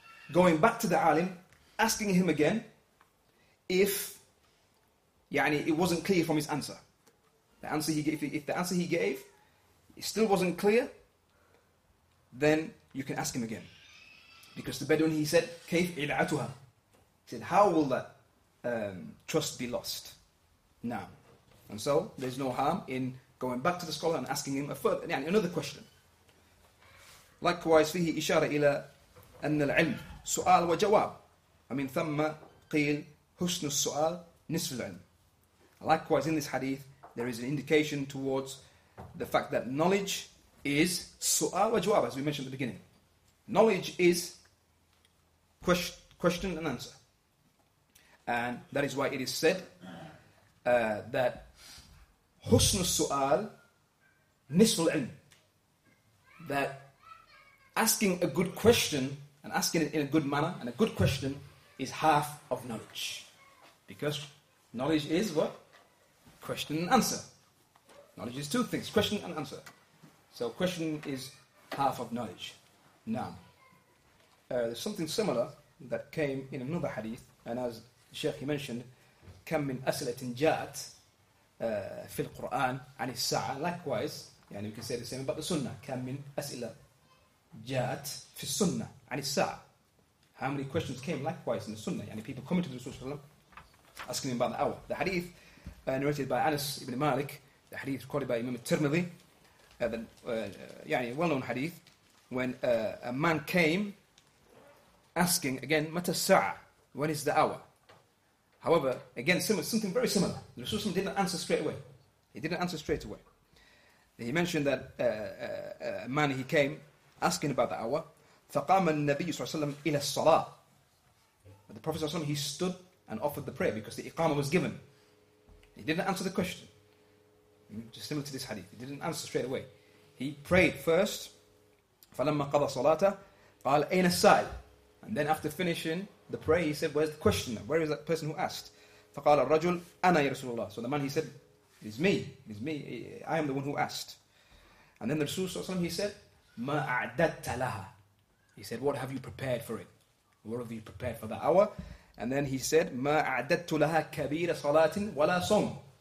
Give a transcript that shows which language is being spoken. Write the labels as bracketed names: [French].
[English] going back to the alim asking him again if يعني it wasn't clear from his answer if the answer he gave it still wasn't clear then you can ask him again Because the Bedouin, he said, [Arabic] كيف إلعتها? [English] He said, how will that trust be lost? Now, And so there's no harm in going back to the scholar and asking him a further, يعني, another question. [Arabic] Likewise, فيه إشارة إلى أن العلم سؤال وجواب. ومن ثم قيل حسن السؤال نصف العلم. [English] Likewise, in this hadith, there is an indication towards the fact that knowledge is [Arabic] سؤال وجواب, [English] as we mentioned at the beginning. Knowledge is question and answer. And that is why it is said that [Arabic] حسن السؤال نصف العلم. [English] That asking a good question and asking it in a good manner and a good question is half of knowledge. Because knowledge is what? Question and answer. Knowledge is two things, question and answer. So question is half of knowledge. Now, there's something similar that came in another hadith, and as Sheikh he mentioned, [Arabic] كم من أسئلة جاءت في القرآن عن الساعة. [English] Likewise, يعني we can say the same about the sunnah. [Arabic] كم من أسئلة جاءت في السنة عن الساعة. [English] How many questions came likewise in the sunnah? يعني people coming to the Rasulullah sallallahu alayhi wa sallam asking him about the hour. The hadith narrated by Anas ibn Malik, the hadith recorded by Imam al-Tirmidhi, يعني well-known hadith, when a man came asking, again, [Arabic] متى الساعة? [English] When is the hour? However, again, something very similar. The Rasulullah didn't answer straight away. He didn't answer straight away. He mentioned that a man, he came asking about the hour. [Arabic] فقام النبي صلى الله عليه وسلم إلى الصلاة. [English] But the Prophet صلى الله عليه وسلم, he stood and offered the prayer because the iqama was given. He didn't answer the question. Just similar to this hadith. He didn't answer straight away. He prayed first. [Arabic] فلما قضى صلاته قال أين السائل. [English] And then after finishing the prayer, he said, where's the questioner? Where is that person who asked? [Arabic] فقال الرجل أنا يا رسول الله. [English] So the man, he said, it's me. I am the one who asked. And then the Rasul صلى الله عليه وسلم, he said, [Arabic] ما أعددت لها. [English] He said, what have you prepared for it? What have you prepared for the hour? And then he said, [Arabic] ما أعددت لها كبيرة صلاة ولا صوم.